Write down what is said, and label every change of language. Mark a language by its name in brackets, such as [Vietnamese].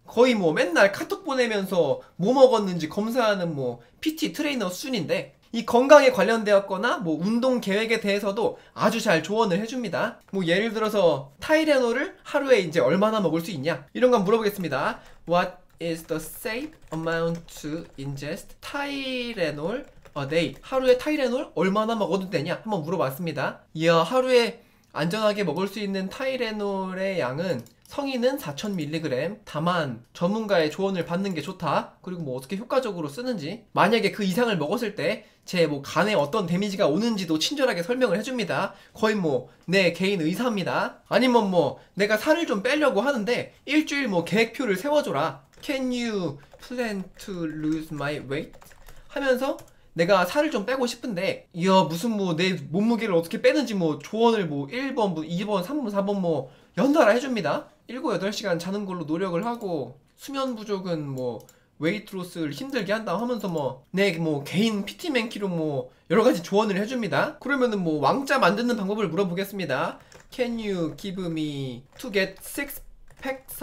[Korean] 거의 뭐 맨날 카톡 보내면서 뭐 먹었는지 검사하는 뭐 PT 트레이너 순인데 이 건강에 관련되었거나 뭐 운동 계획에 대해서도 아주 잘 조언을 해줍니다. 뭐 예를 들어서 타이레놀을 하루에 이제 얼마나 먹을 수 있냐 이런 건 물어보겠습니다. [English] What is the safe amount to ingest Tylenol a day. [Korean] 하루에 타이레놀 얼마나 먹어도 되냐? 한번 물어봤습니다. 이야, 하루에 안전하게 먹을 수 있는 타이레놀의 양은 성인은 4000mg. 다만 전문가의 조언을 받는 게 좋다. 그리고 뭐 어떻게 효과적으로 쓰는지. 만약에 그 이상을 먹었을 때 제 뭐 간에 어떤 데미지가 오는지도 친절하게 설명을 해줍니다. 거의 뭐 내 개인 의사입니다. 아니면 뭐 내가 살을 좀 빼려고 하는데 일주일 뭐 계획표를 세워줘라. [English] Can you plan to lose my weight? [Korean] 하면서 내가 살을 좀 빼고 싶은데, 이야, 무슨 뭐 내 몸무게를 어떻게 빼는지 뭐 조언을 뭐 1번, 뭐 2번, 3번, 4번 뭐 연달아 해줍니다. 7, 8시간 자는 걸로 노력을 하고, 수면 부족은 뭐 웨이트로스를 힘들게 한다 하면서 뭐 내 뭐 개인 PT맨키로 뭐 여러가지 조언을 해줍니다. 그러면은 뭐 왕자 만드는 방법을 물어보겠습니다. [English] Can you give me to get six packs?